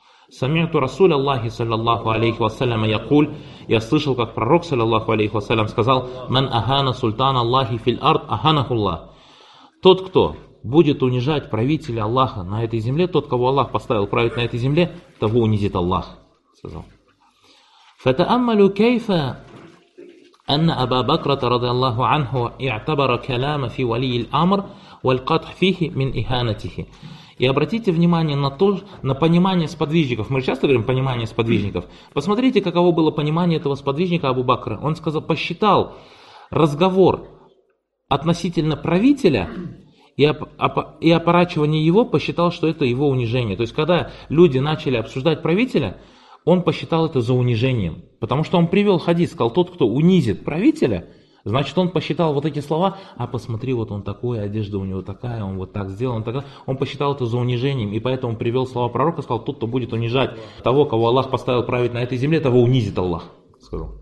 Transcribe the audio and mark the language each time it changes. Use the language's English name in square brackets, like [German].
[Arabic] Самиту Расуля Аллахи, саллиллаху алейхи вассаляма, якуль. [Russian] Я слышал, как пророк, саллиллаху алейхи вассалям, сказал, [Arabic] «Ман ахана султана Аллахи филь ард, аханахуллах». [Russian] Тот, кто будет унижать правителя Аллаха на этой земле, тот, кого Аллах поставил править на этой земле, того унизит Аллах, сказал. [Arabic] فتأملوا كيف أن أبا بكر رضي الله عنه اعتبر كلام في ولي الأمر والقطع فيه من إهانته. [Russian] И обратите внимание на то, на понимание сподвижников. Мы же часто говорим понимание сподвижников. Посмотрите, каково было понимание этого сподвижника Абу Бакра. Он сказал, посчитал разговор относительно правителя и опорачивание его, посчитал, что это его унижение. То есть, когда люди начали обсуждать правителя, он посчитал это за унижением, потому что он привел хадис, сказал, тот, кто унизит правителя, значит, он посчитал вот эти слова, а посмотри, вот он такой, одежда у него такая, он вот так сделал, он так, он посчитал это за унижением, и поэтому привел слова пророка, сказал, тот, кто будет унижать того, кого Аллах поставил править на этой земле, того унизит Аллах, сказал.